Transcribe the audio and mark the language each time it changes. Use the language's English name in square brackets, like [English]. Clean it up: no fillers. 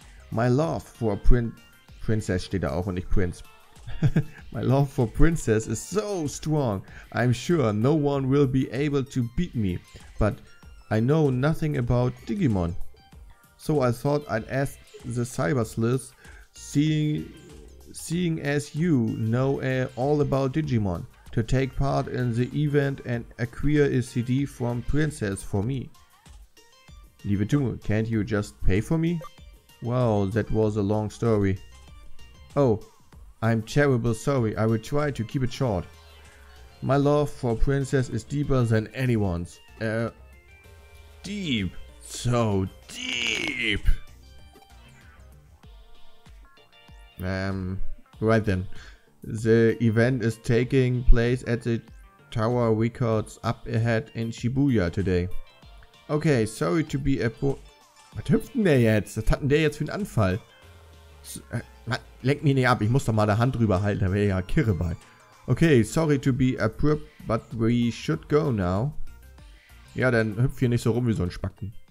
[English] My love for Princess [German] steht da auch und nicht Prince. [English] My love for Princess is so strong. I'm sure no one will be able to beat me, but I know nothing about Digimon. So I thought I'd ask the Cyber Sleuth, seeing as you know all about Digimon, to take part in the event and acquire a CD from Princess for me. Liebe Tumu, can't you just pay for me? Wow, that was a long story. Oh, I'm terrible sorry, I will try to keep it short. My love for Princess is deeper than anyone's. Deep, so deep. Right then. The event is taking place at the Tower Records up ahead in Shibuya today. Okay, sorry to be a bo- [German] Was hüpft denn der jetzt? Was hat denn der jetzt für einen Anfall? Lenk mich nicht ab, ich muss doch mal die Hand drüber halten, da wäre ja Kirre bei. [English] Okay, sorry to be a prop, but we should go now. [German] Ja, dann hüpf hier nicht so rum wie so ein Spacken.